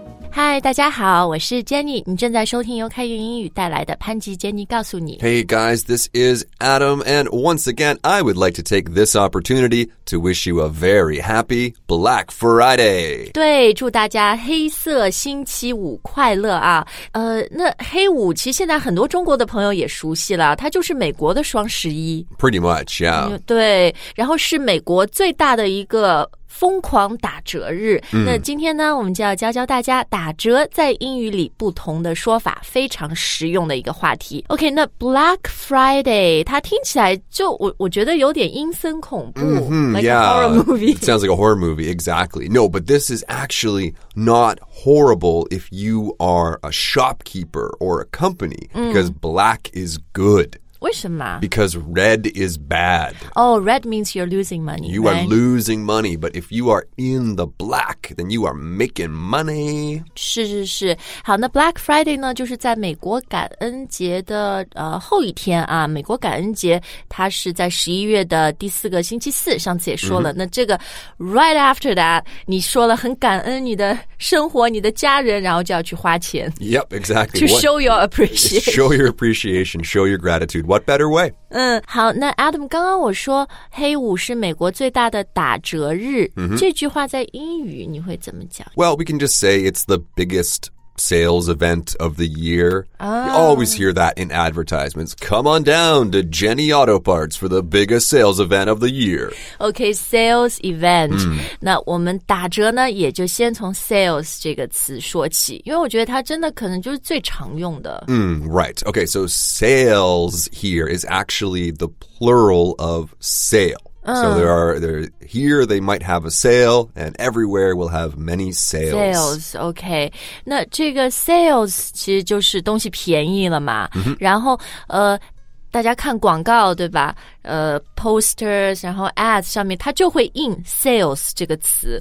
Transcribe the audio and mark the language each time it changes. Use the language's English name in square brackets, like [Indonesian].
[Chinese] 嗨，大家好，我是 Jenny， 你正在收听由开云英语带来的潘吉 Jenny 告诉你。 [English] Hey guys, this is Adam, and once again, I would like to take this opportunity to wish you a very happy Black Friday. [Chinese] 对，祝大家黑色星期五快乐啊。那黑五其实现在很多中国的朋友也熟悉了，它就是美国的双十一。 [English] Pretty much, yeah. [Chinese] 对，然后是美国最大的一个疯狂打折日、那今天呢我们就要教教大家打折在英语里不同的说法，非常实用的一个话题。 OK， 那 Black Friday 它听起来就 我觉得有点阴森恐怖、like [English] yeah, a horror movie. It sounds like a horror movie, exactly. No, but this is actually not horrible if you are a shopkeeper or a company、because black is good. [Chinese] 为什么? [English] Because red is bad. Oh, red means you're losing money. You、are losing money, but if you are in the black, then you are making money. [Chinese] 是是是。好，那 Black Friday 呢，就是在美国感恩节的、后一天啊。美国感恩节它是在11月的第四个星期四，上次也说了。那这个 [English] right after that, [Chinese] 你说了很感恩你的生活，你的家人，然后就要去花钱。 [English] Yep, exactly. To show your appreciation. Show your appreciation, show your gratitude. What better way? [Chinese] 好，那 Adam, 刚刚我说黑五是美国最大的打折日、这句话在英语你会怎么讲？ [English] Well, we can just say it's the biggest sales event of the year.、You always hear that in advertisements. Come on down to Jenny Auto Parts for the biggest sales event of the year. Okay, sales event.、 [Chinese] 那我们打折呢也就先从 sales 这个词说起，因为我觉得它真的可能就是最常用的。 [English] Right. Okay, so sales here is actually the plural of sale. So there are here they might have a sale, and everywhere will have many sales. Sales, okay. [Chinese] 那这个 sales 其实就是东西便宜了嘛。然后大家看广告对吧？ Posters, 然后 ads 上面它就会印 sales 这个词。